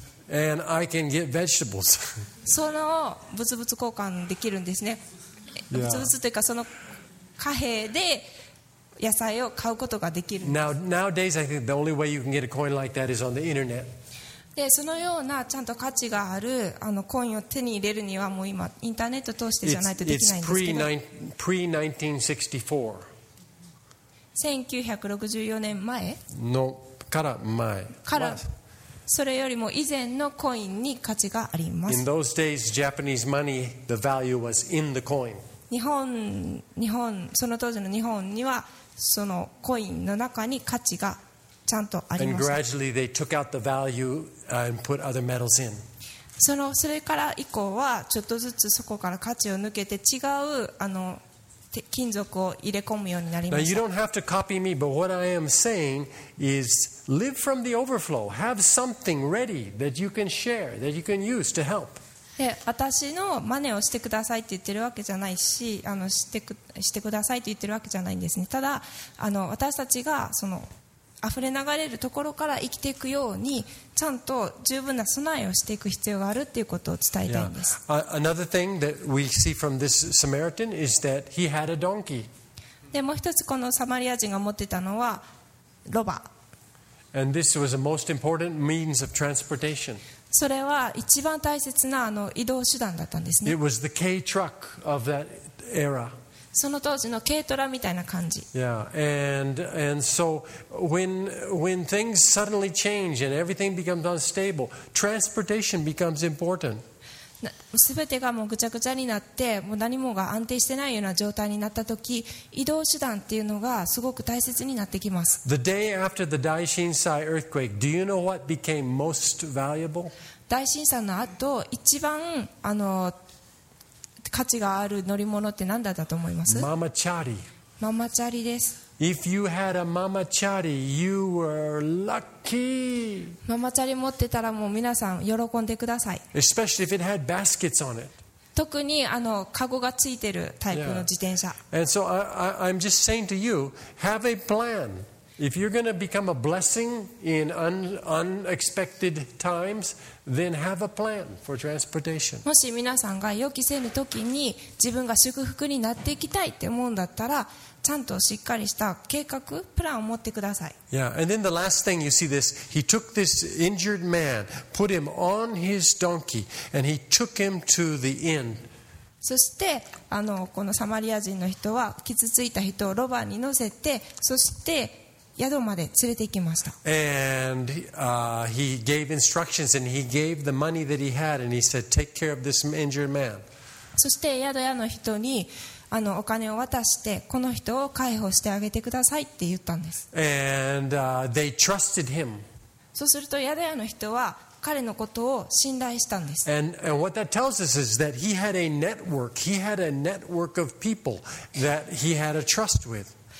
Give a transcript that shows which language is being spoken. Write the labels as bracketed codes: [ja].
[en] And I can get vegetables. [ja] その物々交換できるんですね。 [en] Yeah. [ja] 物々というかその貨幣で野菜を買うことができるんです。 [en] Nowadays, I think the only way you can get a coin like that is on the internet. [ja] でそのようなちゃんと価値があるあのコインを手に入れるにはもう今インターネット通してじゃないとできないんですけど。 [en] It's pre-1964. [ja] 1964年前のから前。からそれよりも以前のコインに価値があります。 [en] In those days, Japanese money, the value was in the coin. [ja] 日本その当時の日本にはそのコインの中に価値が。 [en] And gradually they took out the value and put other metals in. [ja] それから以降はちょっとずつそこから価値を抜けて違うあの金属を入れ込むようになりました。 [en] Now you don't have to copy me, but what I am saying is live from the overflow. Have something ready that you can share, that you can use to help. [ja] 私の真似をしてくださいって言ってるわけじゃないし、してくださいって言ってるわけじゃないんですね。ただ私たちがその溢れ流れるところから生きていくようにちゃんと十分な備えをしていく必要があるということを伝えたいんです。 [en] Yeah. Another thing that we see from this Samaritan is that he had a donkey. [ja] でもう一つこのサマリア人が持ってたのはロバ。 [en] And this was a most important means of transportation. [ja] それは一番大切なあの移動手段だったんですね。 [en] It was the K truck of that era. [ja] その当時の軽トラみたいな感じ。 [en] Yeah, and so when things suddenly change and everything becomes unstable, transportation becomes important. [ja] 全てがもうぐちゃぐちゃになって、もう何もが安定してないような状態になった時、移動手段っていうのがすごく大切になってきます。 [en] The day after the Daishinsai earthquake, do you know what became most valuable? [ja] 大震災の後、一番価値がある乗り物って何だったと思います？ママチャリ。ママチャリです。 [en] If you had a ママチャリ, you were lucky. [ja] ママチャリ持ってたらもう皆さん喜んでください。 [en] Especially if it had baskets on it. [ja] 特にあのカゴがついてるタイプの自転車。 [en] Yeah. And so I'm just saying to you, have a plan. If you're going to become a blessing in unexpected times. Then have a plan for transportation. [ja] もし皆さんが予期せぬ時に自分が祝福になっていきたいって思うんだったら、ちゃんとしっかりした計画、プランを持ってください。 [en] Yeah, and then the last thing you see this, he took this injured man, put him on his donkey, and he took him to the inn. [ja] そしてこのサマリア人の人は傷ついた人をロバに乗せて、そして宿まで連れて行きました。 [en] And he gave instructions and he gave the money that he had and he said take care of this injured man. [ja] そして宿屋の人にあのお金を渡してこの人を解放してあげてくださいって言ったんです。 [en] And they trusted him. [ja] そうすると宿屋の人は彼のことを信頼したんです。 [en] And what that tells us is that he had a network. He had a network of people that he had a trust with.